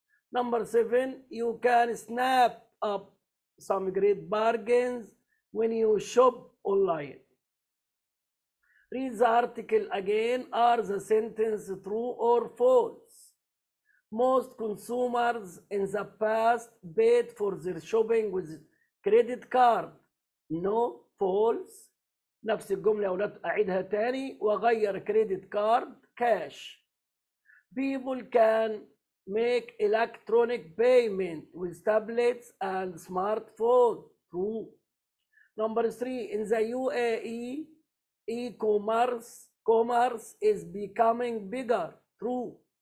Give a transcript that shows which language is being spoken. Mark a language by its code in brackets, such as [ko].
[en] Number 7, you can snap up some great bargains when you shop online. Read the article again. Are the sentences true or false? Most consumers in the past paid for their shopping with credit card. No, false. [ar] نفس الجملة ولا أعيدها تاني وغير [en] credit card cash. People can make electronic payment with tablets and smartphones. True. Number 3, in the UAE, e-commerce is becoming bigger. True.